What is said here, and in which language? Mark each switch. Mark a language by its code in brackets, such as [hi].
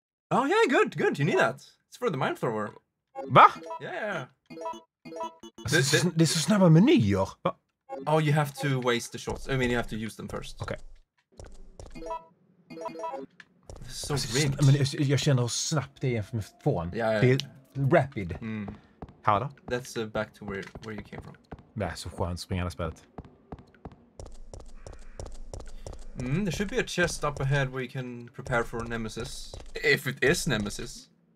[en] Oh yeah, good, good. You need that. It's for the mine thrower. [sv] Va? [en] Yeah. [sv] Det är så snabba menyer. [en] Oh, you have to waste the shots. I mean, you have to use them first. Okay. This is so rigged. [sv] Men jag känner hur snabbt det är jämfört med tvåan. Ja, ja. Det är rapid. Här då? [en] That's back to where you came from. [sv] Det är så skönt springande spelet. [en] Mm, there should be a chest up ahead where you can prepare for Nemesis. If it is Nemesis.